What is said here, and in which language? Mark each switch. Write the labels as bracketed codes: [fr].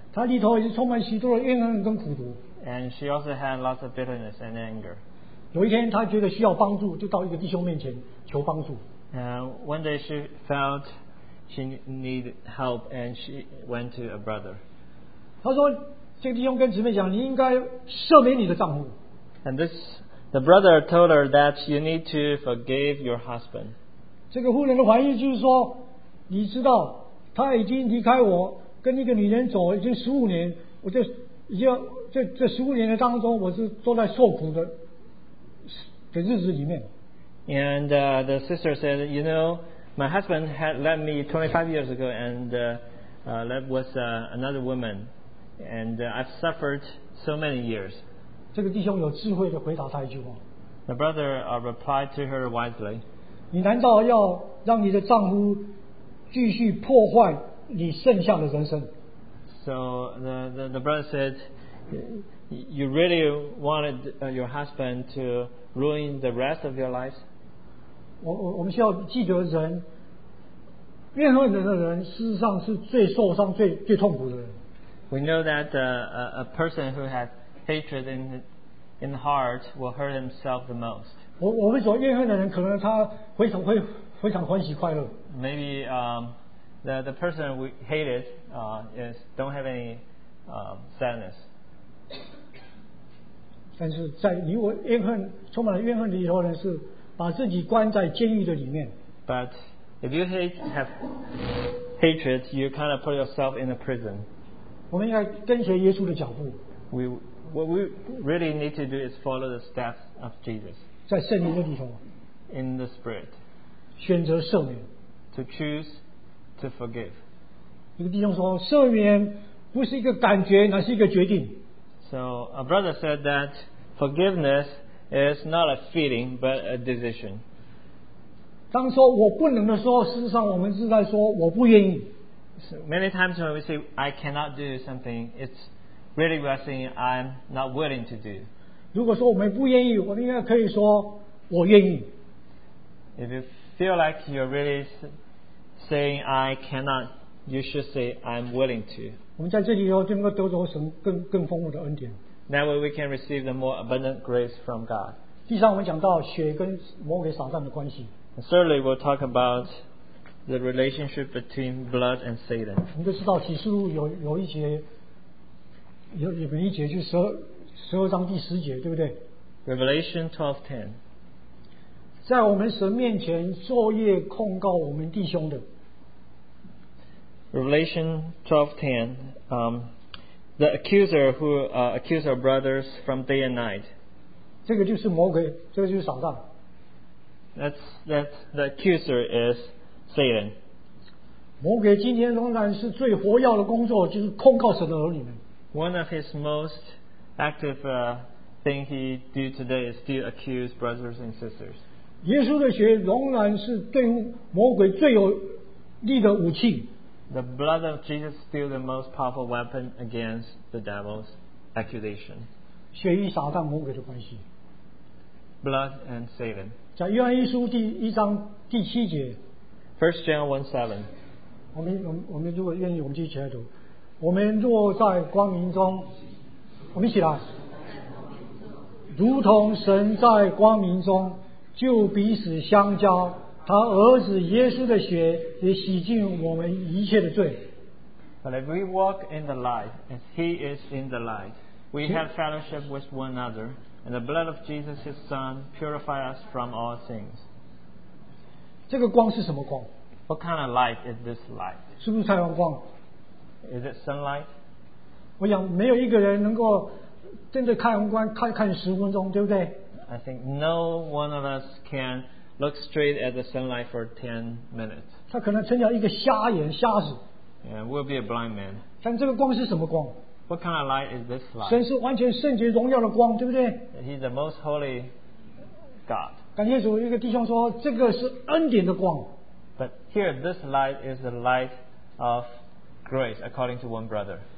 [zh] 她里头也是充满许多的怨恨跟苦毒。 [en] And she also had lots of bitterness and anger. [zh] 有一天，她觉得需要帮助，就到一个弟兄面前求帮助。 [en] And one day she felt she needed help, and she went to a brother. [zh] 她说，这个弟兄跟姊妹讲，你应该赦免你的丈夫。 [en] And this, the brother told her that you need to forgive your husband. [zh] 这个妇人的怀疑就是说，你知道他已经离开我，跟一个女人走已经十五年，我就已经。这十五年的当中，我是坐在受苦的日子里面。 [en] And the sister said, you know, my husband had left me 25 years ago, and that was another woman, and I've suffered so many years. [zh] 这个弟兄有智慧的回答他一句话。 [en] The brother replied to her wisely. [zh] 你难道要让你的丈夫继续破坏你剩下的人生 [en] ？So the brother said. You really wanted your husband to ruin the rest of your life? [zh] 我们需要记得人，怨恨人的人，事实上是最受伤、最痛苦的人。 [en] We know that a person who has hatred in the heart will hurt himself the most. [zh] 我们所怨恨的人，可能他非常欢喜快乐。 [en] Maybe the person we hated is don't have any sadness. [zh] 但是在你我怨恨充满了怨恨里头的人是把自己关在监狱的里面。 [en] But if you have hatred, you kind of put yourself in a prison. [zh] 我们应该跟随耶稣的脚步。 [en] What we really need to do is follow the steps of Jesus. [zh] 在圣灵的里头。 [en] In the Spirit. [zh] 选择赦免。 [en] To choose to forgive. [zh] 一个弟兄说，赦免不是一个感觉，乃是一个决定。 [en] So a brother said that forgiveness is not a feeling but a decision. [zh] 当说我不能的时候，事实上我们是在说我不愿意。 [en] So many times when we say I cannot do something, it's really we are saying I'm not willing to do. [zh] 如果说我们不愿意，我们应该可以说我愿意。 [en] If you feel like you're really saying I cannot, you should say I'm willing to. [zh] 我们在这里以后就能够得着神更丰富的恩典。 [en] That way we can receive the more abundant grace from God. [zh] 第三，我们讲到血跟魔鬼撒旦的关系。 [en] Certainly, we'll talk about the relationship between blood and Satan. [zh] 我们就知道启示录有一节，有一节就是十二章第十节，对不对 [en] ？Revelation 12:10. [zh] 在我们神面前作业控告我们弟兄的。 [en] Revelation 12:10, the accuser who accuses our brothers from day and night. [zh] 这个就是魔鬼，这个就是撒旦。 [en] That's the accuser is Satan. [zh] 魔鬼今天仍然是最活跃的工作，就是控告神的儿女们。 [en] One of his most active thing he do today is to accuse brothers and sisters. [zh] 耶稣的血仍然是对魔鬼最有力的武器。 [en] The blood of Jesus is still the most powerful weapon against the devil's accusation. [zh] 血与撒旦魔鬼的关系。 [en] Blood and Satan. [zh] 在约翰一书第一章第七节。 [en] 1 John 1:7. [zh] 我们如果愿意，我们继续起来读。我们若在光明中，我们一起来，如同神在光明中，就彼此相交。他儿子耶稣的血也洗净我们一切的罪。 [en] But if we walk in the light, as He is in the light, we have fellowship with one another, and the blood of Jesus, His Son, purifies us from all things. [zh] 这个光是什么光 [en] ？What kind of light is this light? [zh] 是不是太阳光 [en] ？Is it sunlight? [zh] 我想没有一个人能够盯着太阳光看十分钟，对不对 [en] ？I think no one of us can. Look straight at the sunlight for 10 minutes. [zh] 他可能成了一个瞎眼瞎子。 [en] Yeah, we'll be a blind man. [zh] 但这个光是什么光 [en] ？What kind of light is this light? [zh] 神是完全圣洁荣耀的光，对不对 [en] ？He's the most holy God. [zh] 感谢主，一个弟兄说，这个是恩典的光。 [en] But here, this light is the light of grace, according to one brother.